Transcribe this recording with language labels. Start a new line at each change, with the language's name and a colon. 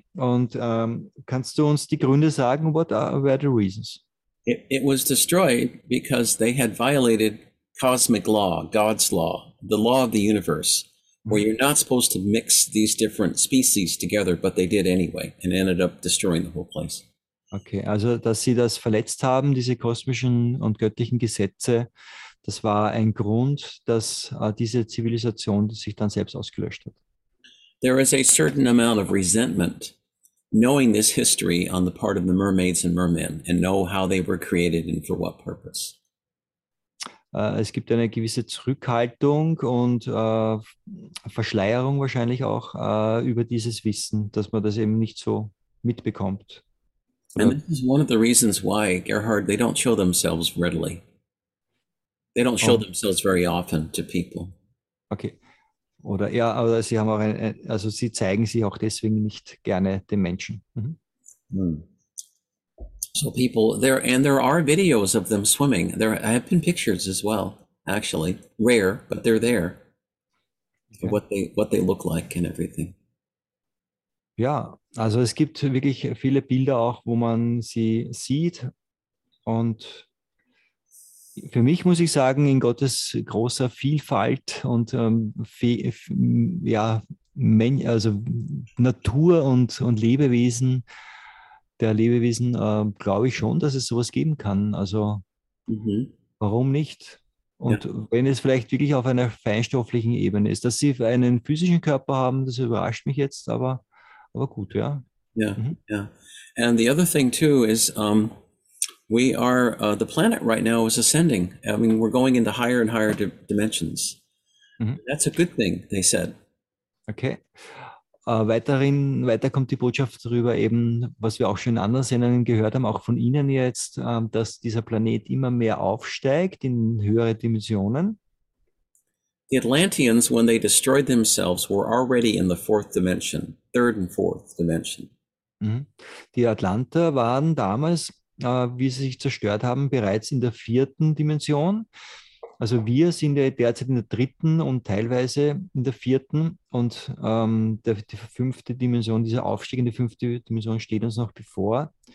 German: Und kannst du uns die Gründe sagen?
English: What were the reasons? It was destroyed because they had violated cosmic law, God's law, the law of the universe, where you're not supposed to mix these different species together, but they did anyway and ended up destroying the whole place.
German: Okay, also dass sie das verletzt haben, diese kosmischen und göttlichen Gesetze, das war ein Grund, dass diese Zivilisation sich dann selbst ausgelöscht hat.
English: There is a certain amount of resentment knowing this history on the part of the mermaids and mermen and know how they were created and for what purpose.
German: Es gibt eine gewisse Zurückhaltung und Verschleierung wahrscheinlich auch über dieses Wissen, dass man das eben nicht so mitbekommt. Oder?
English: And this is one of the reasons why, Gerhard, they don't show themselves readily. They don't show themselves very often to people. Okay.
German: Oder ja, aber sie haben auch ein, also sie zeigen sich auch deswegen nicht gerne den Menschen.
English: So people there, and there are videos of them swimming. There have been pictures as well, actually. Rare, but they're there. Okay. What they look like and everything.
German: Ja, also es gibt wirklich viele Bilder auch, wo man sie sieht. Und für mich muss ich sagen, in Gottes großer Vielfalt und Natur und Lebewesen, der Lebewesen, glaube ich schon, dass es sowas geben kann. Also warum nicht? Und wenn es vielleicht wirklich auf einer feinstofflichen Ebene ist, dass sie einen physischen Körper haben, das überrascht mich jetzt, aber gut, ja. Ja, ja.
English: And the other thing too is, we are, the planet right now is ascending. I mean, we're going into higher and higher dimensions. That's a good thing, they said. Okay.
German: Weiter kommt die Botschaft darüber, eben, was wir auch schon in anderen Sendungen gehört haben, auch von Ihnen jetzt, dass dieser Planet immer mehr aufsteigt in höhere Dimensionen.
English: The Atlanteans, when they destroyed themselves, were already in the fourth dimension, third and fourth dimension.
German: Die Atlanter waren damals, wie sie sich zerstört haben, bereits in der vierten Dimension. Also wir sind ja derzeit in der dritten und teilweise in der vierten, und die fünfte Dimension, diese aufsteigende fünfte Dimension steht uns noch bevor.